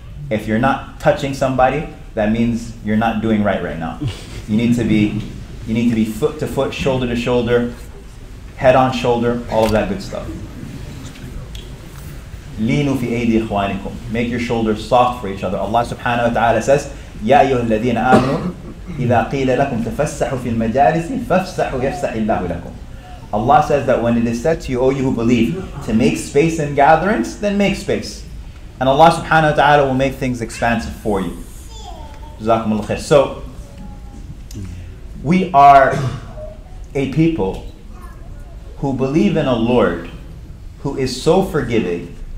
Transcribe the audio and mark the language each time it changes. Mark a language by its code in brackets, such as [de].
[en] If you're not touching somebody, that means you're not doing right now. You need to be foot to foot, shoulder to shoulder, head on shoulder, all of that good stuff. [ar] لِينُوا فِي أَيْدِي إِخْوَانِكُمْ. [en] Make your shoulders soft for each other. Allah subhanahu wa ta'ala says, [ar] يَا أَيُّهَا الَّذِينَ آمَنُوا إِذَا قِيلَ لَكُمْ تَفَسَّحُوا فِي الْمَجَالِسِ فَفْسَحُوا يَفْسَحِ اللَّهُ لَكُمْ. [en] Allah says that when it is said to you, O you who believe, to make space in gatherings, then make space. And Allah subhanahu wa ta'ala will make things expansive for you. [ar] جزاكم الله خير. [en] So, we are a people who believe in a Lord who is so forgiving.